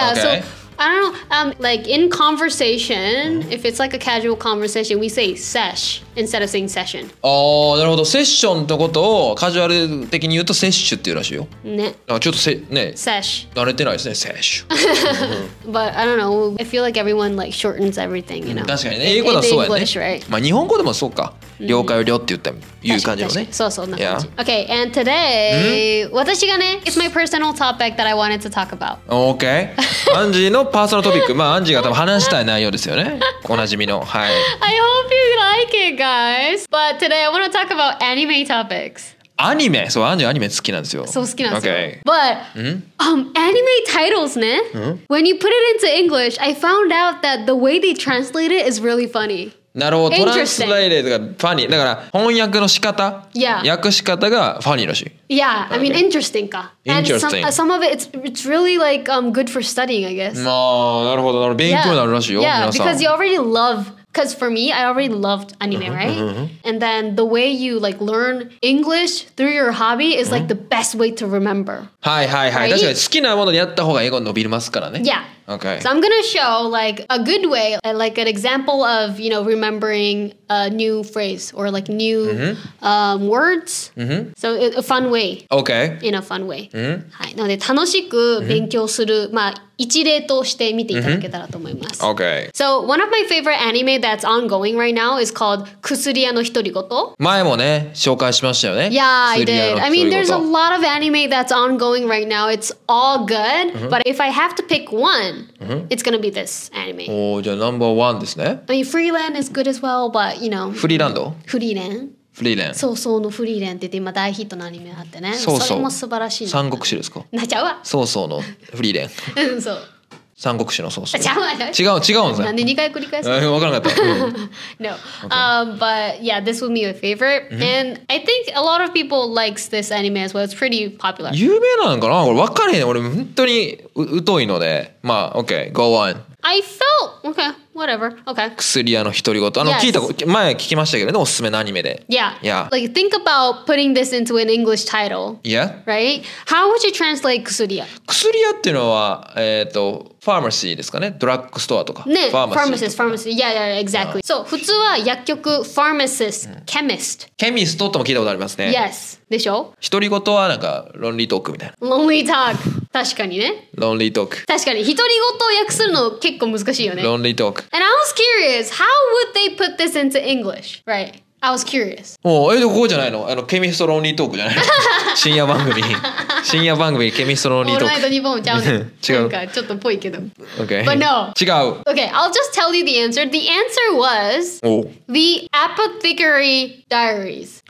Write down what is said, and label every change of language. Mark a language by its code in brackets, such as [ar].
[en] Yeah.、Okay. So,I don't know, like in conversation, if it's like a casual conversation, we say sesh instead of saying session. [ja] Oh, なるほど。セッションってことをカジュアル的に言うとセッシュっていうらしいよ。ね。ちょっとね。セッシュ。慣れてないですね、セッシュ。 [en] But I don't know, I feel like everyone like shortens everything, you know. [ja] 確かにね。英語だそうやね。 [en] English, right? [ja] まあ日本語でもそうか。了解了って言ったいう感じのね。そうそう、な感じ。 [en] Okay, and today, [ja] 私がね、 [en] it's my personal topic that I wanted to talk about. Okay. [ja] アンジーのパーソナルトピック。まあ、アンジーが多分話したい内容ですよね。おなじみの。はい。 [en] I hope you like it, guys. But today, I want to talk about anime topics. [ja] アニメ。そう、アンジーアニメ好きなんですよ。そう、好きなんですよ。 [en] Okay. But, anime titles [ja] ね。 [en] When you put it into English, I found out that the way they translate it is really funny. [ja] なるほど、トランスライレーとかファニーだから翻訳の仕方、 [en] yeah. [ja] 訳し方がファニーらしい。 [en] Yeah, I mean interesting か。 Interesting. And some of it, it's really like good for studying, I guess. [ja] まあなるほど、勉強になるらしいよ、 [en] yeah. [ja] 皆さん。 [en] Yeah, because you already love, because for me, I already loved anime, right? And then the way you like learn English through your hobby is like the best way to remember. [ja] はいはいはい、 [en] right? [ja] 確かに好きなものにやった方が英語伸びますからね。 [en] Yeah. Okay. So I'm gonna show like a good way, like an example of, you know, remembering a new phrase or like new words. So a fun way. Okay. In a fun way. Mm-hmm. [ja] はい。なので楽しく勉強する、まあ一例として見ていただけたらと思います。 [en] Okay. So one of my favorite anime that's ongoing right now is called 薬屋の独り言。 [ja] 前もね、紹介しましたよね。 [en] Yeah, I did. I mean, there's a lot of anime that's ongoing right now. It's all good. But if I have to pick one,It's gonna be this anime. [ja] おー、じゃあ [en] number one [ja] ですね。 [en] I mean, Freeland is good as well, but you know. Freeland? Freeland. Freeland. [ja] そうそうの Freeland って今大ヒットのアニメあってね。そうそう。それも素晴らしい。三国志ですか？なっちゃうわ。そうそうの Freeland。うん、そう。三国志のそうそう。ちゃうわ。違う、違うんですね。なんで2回繰り返すの？わからなかった。 [en] No. Okay. But yeah, this will be my favorite. And I think a lot of people likes this anime as well. It's pretty popular. [ja] 有名なんかな？これ分かれへん。俺本当に疎いので。 [en] まあ、okay, go on. I felt, okay, whatever, okay. [ja] 薬屋の独り言。Yes. 聞いた、前聞きましたけどね、おすすめのアニメで。 [en] Yeah. Yeah. Like, think about putting this into an English title. Yeah. Right? How would you translate 薬屋? [ja] 薬屋っていうのは、ファーマシーですかね、ドラッグストアとか。ね、ファーマシー、 [en] yeah, yeah, exactly. Yeah. So, [ja] 普通は薬局、ファーマシス、ケミスト。ケミストとも聞いたことありますね。 Yes. でしょ？独り言はなんかロンリートークみたいな。ロンリートーク。確かにね。ロンリートーク。確かに。独り言を訳するの結構難しいよね。ロンリートーク。 [en] And I was curious, how would they put this into English? Right. I was curious. [ja] おー、ここじゃないの？あの、ケミストロンリートークじゃないの？深夜番組。深夜番組、ケミストロンリートーク。オールナイトニッポンちゃうね。違う。なんかちょっとぽいけど。 [en] Okay. But no. [ja] 違う。 [en] Okay, I'll just tell you the answer. The answer was The Apothecary Diaries.